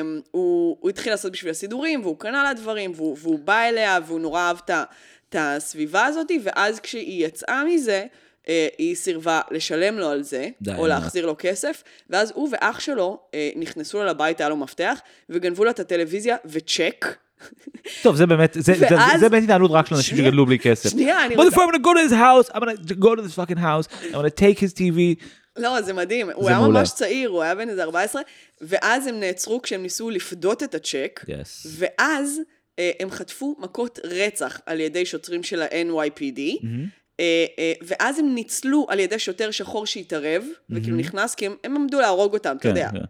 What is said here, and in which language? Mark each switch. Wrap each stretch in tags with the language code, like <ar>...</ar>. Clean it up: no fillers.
<he>הוא התחיל לעשות בשביל הסידורים, והוא קנה לה דברים, והוא בא אליה, והוא נורא אהב את הסביבה הזאת, ואז כשהיא יצאה מזה, היא סירבה לשלם לו על זה, או להחזיר לו כסף, ואז הוא ואח שלו נכנסו לו לבית, היה לו מפתח, וגנבו לו את הטלוויזיה וצ'ק. טוב, זה באמת, זה באמת התנהלות רק של אנשים שגדלו בלי כסף. שנייה, אני רוצה.</he> <en>But before I'm gonna go to this house, I'm gonna go to this fucking house, I'm gonna take his TV.</en> <he>לא, זה מדהים, הוא היה ממש צעיר, הוא היה בן איזה 14, ואז הם נעצרו כשהם ניסו לפדות את הצ'ק, ואז הם חטפו מכות רצח על ידי שוטרים של ה-NYPD, ואז הם ניצלו על ידי שוטר שחור שהתערב, וכאילו נכנס, כי הם עמדו להרוג אותם, אתה יודע.</he>